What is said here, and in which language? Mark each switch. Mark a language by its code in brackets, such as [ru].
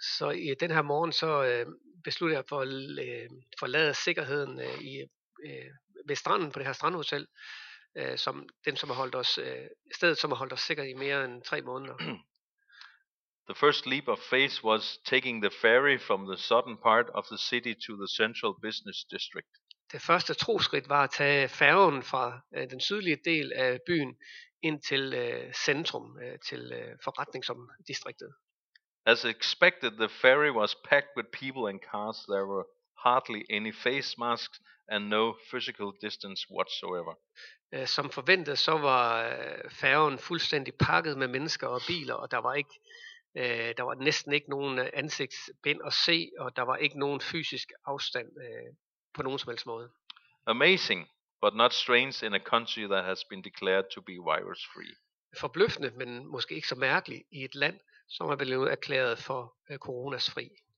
[da] Så i den her morgen så besluttede jeg for at forlade sikkerheden i ved stranden på det her strandhotel, som den som har holdt os stedet som har holdt os sikre i mere end 3 måneder. [en] The first leap of faith was taking the ferry from the southern part of the city to the central business district. [da] Det første troskridt var at tage færgen fra den sydlige del af byen ind til centrum, til forretningsdistriktet. [en] As expected, the ferry was packed with people and cars. There were hardly any face masks and no physical distance whatsoever. [da] Som forventet, så var færgen fuldstændig pakket med mennesker og biler, og der var ikke der var næsten ikke nogen ansigtsbind at se, og der var ikke nogen fysisk afstand på nogen som helst måde. [en] Amazing, but not strange in a country that has been declared to be virus-free. [da] Forbløffende, men måske ikke så mærkeligt i et land, som er blevet erklæret for corona-fri.